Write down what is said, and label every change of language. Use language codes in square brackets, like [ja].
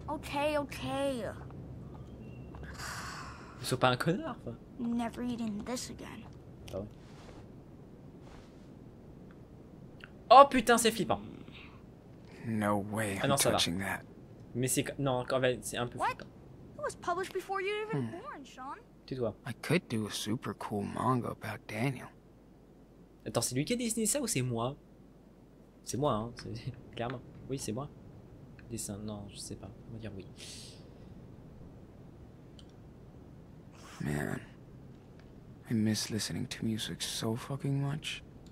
[en] Okay, okay. [fr] Ne sois pas un connard, quoi. [en] Never eating this again. Oh. [fr] Oh putain, c'est flippant. [en] No way. [fr] Ah non, [en] I'm touching [fr] va. [en] That. [fr] Mais c'est non, quand même, c'est un peu. [en] What? It was published before you even born, Sean. [fr] Tais-toi. [en] I could do a super cool manga about Daniel. [fr] Attends, c'est lui qui a dessiné ça ou c'est moi? C'est moi, hein, c'est... clairement. Oui, c'est moi. Dessin, non, je sais pas. On va dire oui. [en] Man, I miss listening to music so fucking much.